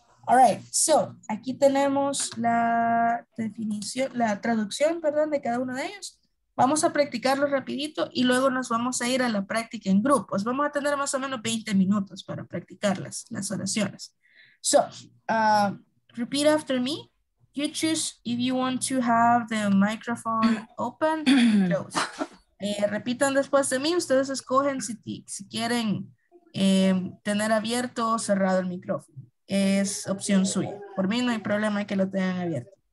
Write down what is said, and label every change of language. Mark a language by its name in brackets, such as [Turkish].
[English] All right, so, [Spanish] aquí tenemos la definición, la traducción, perdón, de cada uno de ellos. Vamos a practicarlo rapidito y luego nos vamos a ir a la práctica en grupos. Vamos a tener más o menos 20 minutos para practicar las oraciones. [English] So, repeat after me. You choose if you want to have the microphone open or closed. [Spanish] Repitan después de mí. Ustedes escogen si quieren tener abierto o cerrado el micrófono. Es opción suya. Por mí no hay problema que lo tengan abierto.